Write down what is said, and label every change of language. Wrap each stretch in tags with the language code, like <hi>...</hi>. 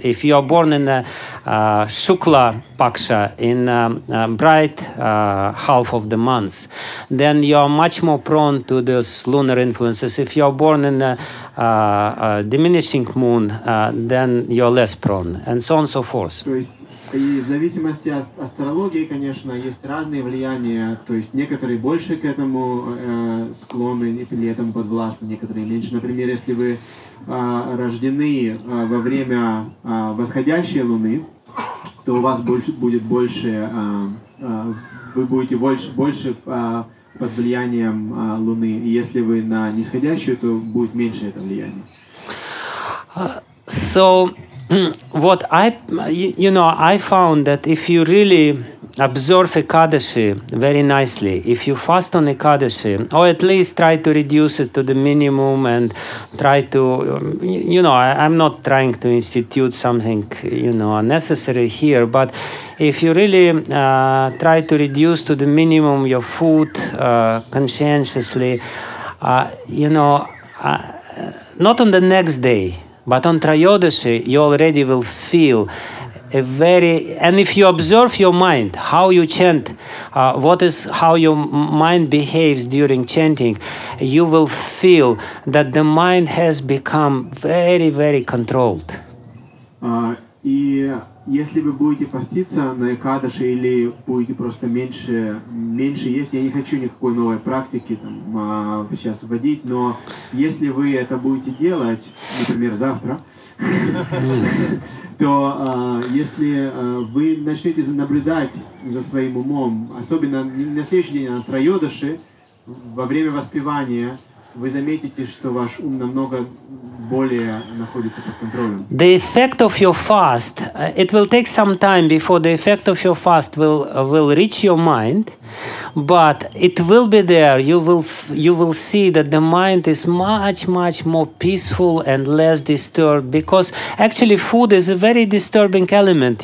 <en>If you're born in the Shukla Paksha, in a bright half of the months, then you're much more prone to these lunar influences. If you're born in a diminishing moon, then you're less prone, and so on and so forth.</en> <ru>И в зависимости от астрологии, конечно, есть разные влияния, то есть некоторые больше к этому склонны и при этом подвластны, некоторые меньше. Например, если вы рождены во время восходящей луны, то у вас будет больше, вы будете больше под влиянием луны. И если вы на нисходящую, то будет меньше это влияние.</ru> <en>So what I, you know, I found that if you really observe Ekadashi very nicely, if you fast on Ekadashi, or at least try to reduce it to the minimum and try to, you know, I'm not trying to institute something, you know, unnecessary here, but if you really try to reduce to the minimum your food conscientiously, you know, not on the next day, but on Trayodashi, you already will feel a very... And if you observe your mind, how you chant, what is how your mind behaves during chanting, you will feel that the mind has become very, very controlled.</en> <ru>И если вы будете поститься на Экадаши или будете просто меньше есть, я не хочу никакой новой практики там, сейчас вводить, но если вы это будете делать, например, завтра, то если вы начнете наблюдать за своим умом, особенно на следующий день, на Троёдаши, во время воспевания, вы заметите, что ваш ум намного более находится под контролем.</ru> <en>The effect of your fast, it will take some time before the effect of your fast will reach your mind, but it will be there. You will see that the mind is much more peaceful and less disturbed, because actually food is a very disturbing element.</en>